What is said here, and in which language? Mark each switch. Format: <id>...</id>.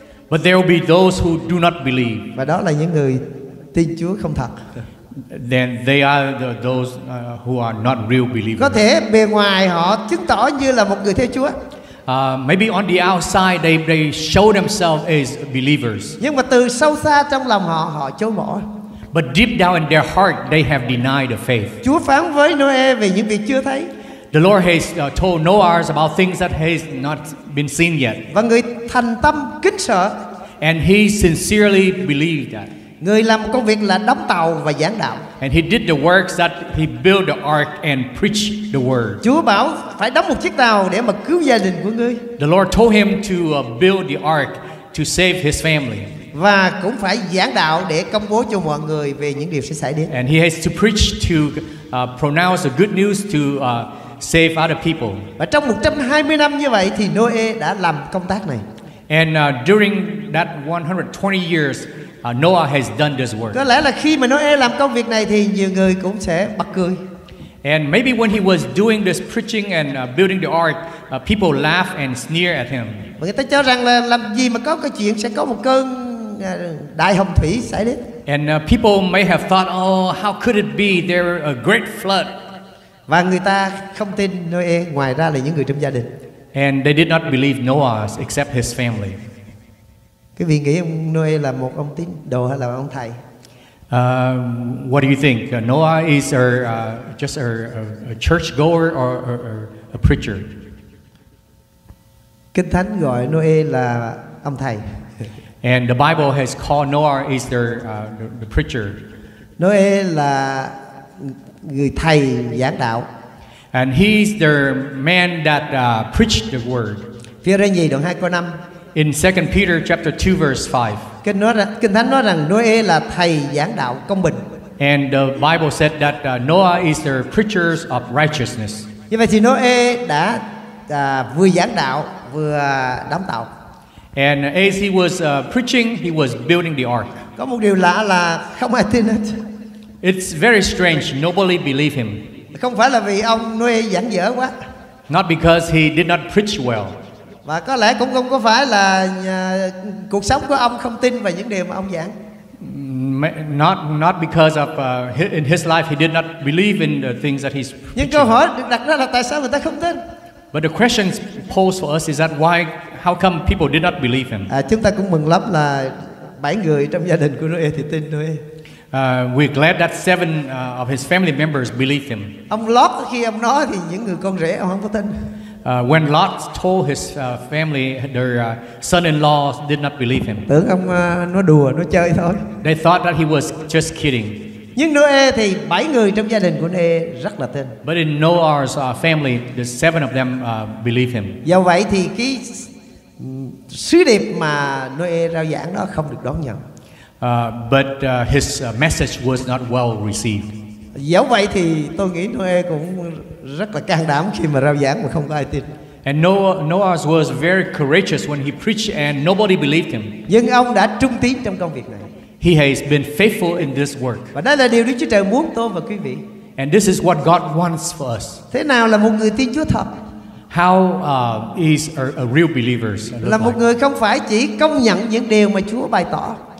<en>But there will be those who do not believe.</en> <vi>Và đó là những người tin Chúa không thật.</vi> <en>Then they are the, those who are not real believers.</en> <vi>Có thể bề ngoài họ chứng tỏ như là một người theo Chúa.</vi> <en>Maybe on the outside they show themselves as believers.</en> <vi>Nhưng mà từ sâu xa trong lòng họ họ chối bỏ.</vi> <en>But deep down in their heart they have denied the faith.</en> <vi>Chúa phán với Noe về những việc chưa thấy.</vi> <en>The Lord has told Noah about things that has not been seen yet.</en> <vi>Và người thành tâm kính sợ.</vi> <en>And he sincerely believed that.</en> <vi>Người làm công việc là đóng tàu và giảng đạo.</vi> <en>And he did the works that he built the ark and preached the word.</en> <vi>Chúa bảo phải đóng một chiếc tàu để mà cứu gia đình của ngươi.</vi> <en>The Lord told him to build the ark to save his family.</en> <vi>Và cũng phải giảng đạo để công bố cho mọi người về những điều sẽ xảy đến.</vi> <en>And he has to preach to pronounce the good news to save other people.</en> <vi>Và trong 120 năm như vậy thì Noe đã làm công tác này.</vi> <en>And during that 120 years Noah has done this work.</en> <vi>Có lẽ là khi mà Noe làm công việc này thì nhiều người cũng sẽ bật cười.</vi> <en>And maybe when he was doing this preaching and building the ark, people laugh and sneer at him.</en> <vi>Và người ta cho rằng là làm gì mà có cái chuyện sẽ có một cơn đại hồng thủy xảy đến.</vi> <en>And people may have thought, oh, how could it be? There a great flood.</en> <vi>Và người ta không tin Noe ngoài ra là những người trong gia đình.</vi> <en>And they did not believe Noah except his family.</en> <vi>Quý vị nghĩ ông Noe là một ông tín đồ hay là ông thầy?</vi> <en>What do you think? Noah is a just a church goer or a preacher?</en> <vi>Kinh Thánh gọi Noe là ông thầy.</vi> <en>And the Bible has called Noah is their the preacher.</en> <vi>Noe là người thầy giảng đạo.</vi> <en>And he's the man that preached the word.</en> <vi>Phi-e-rơ nhì đoạn 2 câu 5.</vi> <en>In 2 Peter chapter 2 verse 5.</en> <vi>Kinh Thánh nói rằng Noe là thầy giảng đạo công bình.</vi> <en>And the Bible said that Noah is the preacher of righteousness.</en> <vi>Như vậy thì Noe đã vừa giảng đạo vừa đóng tàu.</vi> <en>And as he was preaching, he was building the ark.</en> <vi>Có một điều lạ là không ai tin hết.</vi> <en>It's very strange, nobody believed him.</en> <vi>Không phải là vì ông Noe giảng dở quá.</vi> <en>Not because he did not preach well.</en> <vi>Và có lẽ cũng không có phải là cuộc sống của ông không tin vào những điều mà ông giảng.</vi> <en>Not because of in his life he did not believe in the things that he's preaching.</en> <vi>Nhưng câu hỏi được đặt ra là tại sao người ta không tin?</vi> <en>But the question posed for us is that why, how come people did not believe him?</en> <vi>Chúng ta cũng mừng lắm là 7 người trong gia đình của Noe thì tin Noe.</vi> <en>We're glad that 7 of his family members believed him.</en> <vi>Ông Lot khi ông nói thì những người con rể ông không có tin.</vi> <en>When Lot told his family, their son-in-law did not believe him.</en> <vi>Tưởng ông nói đùa, nói chơi thôi.</vi> <en>They thought that he was just kidding.</en> <vi>Nhưng Noe thì 7 người trong gia đình của Noe rất là tin.</vi> <en>But in Noah's family, the 7 of them believed him.</en> <vi>Do vậy thì cái sứ điệp mà Noe rao giảng đó không được đón nhận.</vi> <en>But his message was not well received.</en> <vi>Dẫu vậy thì tôi nghĩ Noe cũng rất là can đảm khi mà rao giảng mà không có ai tin.</vi> <en>And Noah was very courageous when he preached and nobody believed him.</en> <vi>Nhưng ông đã trung tín trong công việc này.</vi> <en>He has been faithful in this work.</en> <vi>Và đây là điều Đức Chúa Trời muốn tôi và quý vị.</vi> <en>And this is what God wants for us.</en> <vi>Thế nào là một người tin Chúa thật?</vi> <en>How is a real believer?</en> <vi>Là một người không phải chỉ công nhận những điều mà Chúa bày tỏ.</vi>